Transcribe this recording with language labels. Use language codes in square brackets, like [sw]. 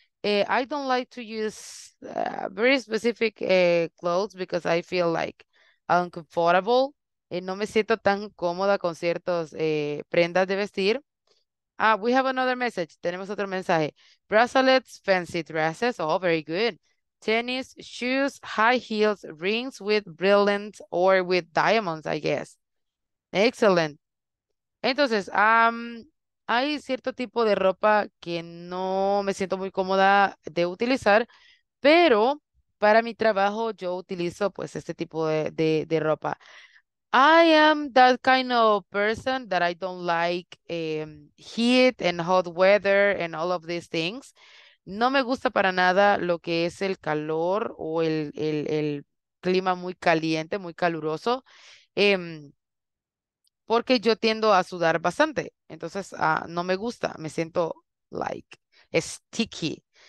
[en] I don't like to use very specific clothes because I feel like uncomfortable. [es] No me siento tan cómoda con ciertas prendas de vestir. [en] Ah, we have another message. [es] Tenemos otro mensaje. [en] Bracelets, fancy dresses. Oh, very good. Tennis, shoes, high heels, rings with brilliant or with diamonds, I guess. Excellent. [es] Entonces, hay cierto tipo de ropa que no me siento muy cómoda de utilizar, pero para mi trabajo yo utilizo pues este tipo de ropa. [en] I am that kind of person that I don't like heat and hot weather and all of these things. [es] No me gusta para nada lo que es el calor o el clima muy caliente, muy caluroso, porque yo tiendo a sudar bastante. Entonces, no me gusta. Me siento [en] like sticky.